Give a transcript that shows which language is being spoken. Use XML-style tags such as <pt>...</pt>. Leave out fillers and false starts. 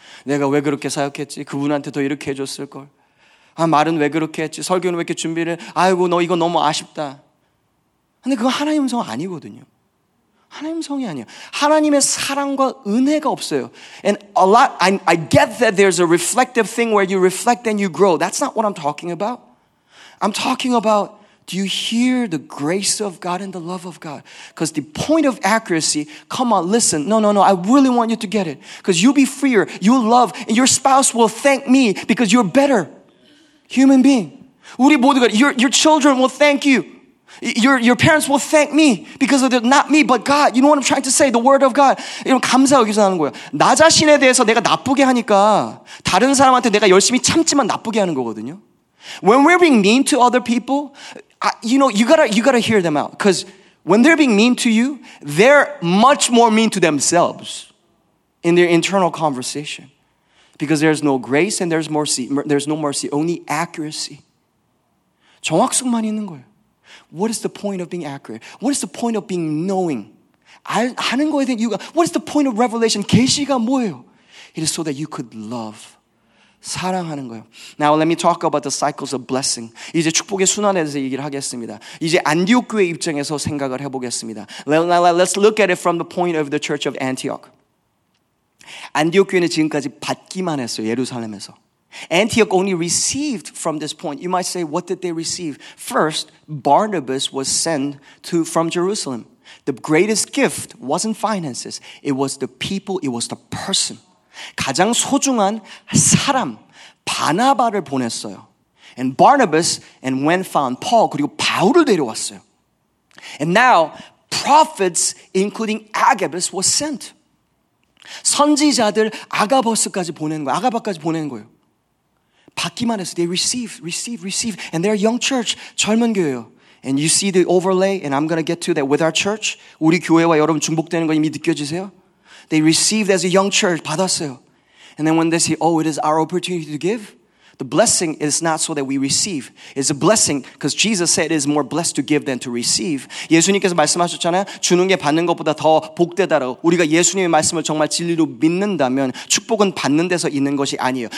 <ko>내가 왜 그렇게 사역했지? 그분한테 더 이렇게 해줬을 걸. 아, 말은 왜 그렇게 했지? 설교는 왜 이렇게 준비를? 아이고 너 이거 너무 아쉽다. 근데 그건 하나님 음성 아니거든요. 하나님 성이 아니에요. 하나님의 사랑과 은혜가 없어요.</ko> <en>And a lot, I get that there's a reflective thing where you reflect and you grow. That's not what I'm talking about. I'm talking about, do you hear the grace of God and the love of God? Because the point of accuracy, come on, listen. No. I really want you to get it. Because you'll be freer, you'll love, and your spouse will thank me because you're a better human being. 우리 모두가, your children will thank you. Your parents will thank me because of the, not me, but God. You know what I'm trying to say? The word of God.</en> <ko>이런 감사 여기서 하는 거예요. 나 자신에 대해서 내가 나쁘게 하니까 다른 사람한테 내가 열심히 참지만 나쁘게 하는 거거든요.</ko> <en>When we're being mean to other people, you gotta hear them out. Because when they're being mean to you, they're much more mean to themselves in their internal conversation. Because there's no grace and there's mercy. There's no mercy, only accuracy. 정확성만 있는 거예요. What is the point of being accurate? What is the point of being knowing? 하는 거에 대한 이유가, what is the point of revelation? 계시가 뭐예요? It is so that you could love. 사랑하는 거예요. Now let me talk about the cycles of blessing.</en> <ko>이제 축복의 순환에 대해서 얘기를 하겠습니다. 이제 안디옥 교회 입장에서 생각을 해보겠습니다.</ko> <en>Let's look at it from the point of the church of Antioch.</en> <ko>안디옥 교회는 지금까지 받기만 했어요.</ko> <en>예루살렘에서. Antioch only received from this point. You might say, what did they receive? First, Barnabas was sent from Jerusalem. The greatest gift wasn't finances. It was the people. It was the person.</en> <ko>가장 소중한 사람, 바나바를 보냈어요.</ko> <en>And Barnabas and when found Paul, 그리고 바울을 데려왔어요. And now, prophets, including Agabus, was sent.</en> <ko>선지자들 아가버스까지 보낸 거예요. 아가바까지 보낸 거예요.</ko> <en>받기만 해서 they receive, and they're a young church, 젊은 교회요. And you see the overlay, and I'm going to get to that with our church.</en> <ko>우리 교회와 여러분 중복되는 거 이미 느껴지세요?</ko> <en>They received as a young church, 받았어요. And then when they say, oh, it is our opportunity to give, the blessing is not so that we receive. It's a blessing because Jesus said it is more blessed to give than to receive.</en> <ko>예수님께서 말씀하셨잖아요. 주는 게 받는 것보다 더 복되다라고. 우리가 예수님의 말씀을 정말 진리로 믿는다면 축복은 받는 데서 있는 것이 아니에요.</ko>